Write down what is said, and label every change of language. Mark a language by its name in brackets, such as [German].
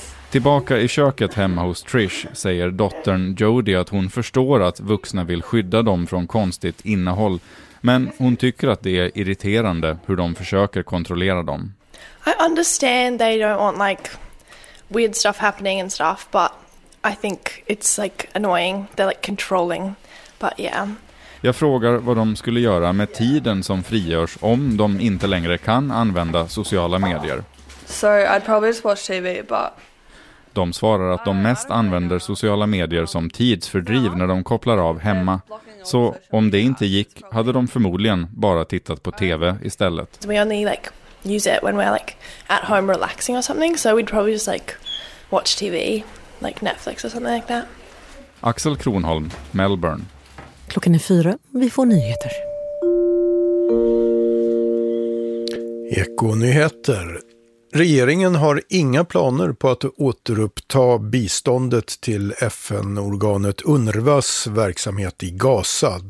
[Swedish] Tillbaka i köket hemma hos Trish säger dottern Jody att hon förstår att vuxna vill skydda dem från konstigt innehåll, men hon tycker att det är irriterande hur de försöker kontrollera dem. [English] I understand they don't want like weird stuff happening and stuff, but I think it's like annoying, they're like controlling, but yeah. [Swedish] Jag frågar vad de skulle göra med tiden som frigörs om de inte längre kan använda sociala medier. [English] So I'd probably just watch TV, but [Swedish] de svarar att de mest använder sociala medier som tidsfördriv när de kopplar av hemma. Så om det inte gick hade de förmodligen bara tittat på TV istället. [English] We only like use it when we're like at home relaxing or something, so we'd probably just like watch TV, like Netflix or something like that. [Swedish] Axel Kronholm, Melbourne. Klockan är 4, vi får nyheter. Ekonyheter. Regeringen har inga planer på att återuppta biståndet till FN-organet UNRWA:s verksamhet i Gaza.